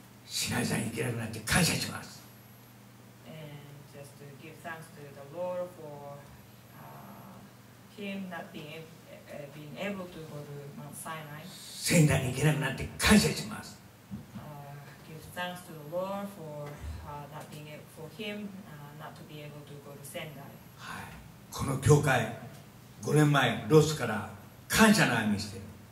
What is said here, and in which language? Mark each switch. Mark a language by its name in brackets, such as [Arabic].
[Japanese] シナイさん行けなくなって感謝します。 [English] And just to give thanks to the Lord for him not being been able to go to Mount Sinai. [Japanese] 聖壇に行けなくなって感謝します。 [English] Give thanks to the Lord for not being able for him not to be able to go to Sendai. はい。 [Japanese] この教会、5年前ロスから感謝の歩みしてる。